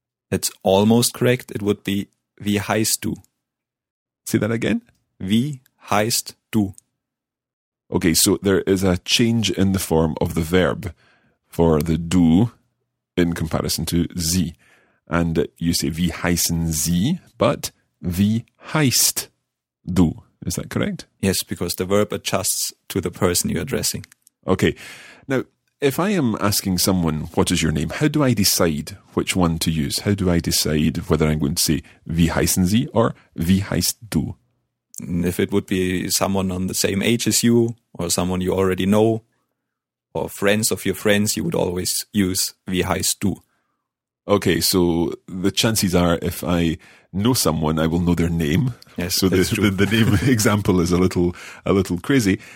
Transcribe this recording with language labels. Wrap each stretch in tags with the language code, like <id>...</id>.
<en>That's almost correct. It would be,</en> <de>wie heißt Du?</de> <en>Say that again.</en> <de>Wie heißt Du?</de> <en>Okay, so there is a change in the form of the verb for the Du in comparison to Sie. And you say,</en> <de>wie heißen Sie,</de> <en>but</en> <de>wie heißt Du?</de> <en>Is that correct? Yes, because the verb adjusts to the person you're addressing. Okay. Now, if I am asking someone, what is your name? How do I decide which one to use? How do I decide whether I'm going to say,</en> <de>wie heißen Sie</de> <en>or</en> <de>wie heißt du?</de> <en>If it would be someone on the same age as you or someone you already know or friends of your friends, you would always use</en> <de>wie heißt du.</de> <en>Okay, so the chances are if I know someone, I will know their name. Yes, so the name example is a little crazy.</en>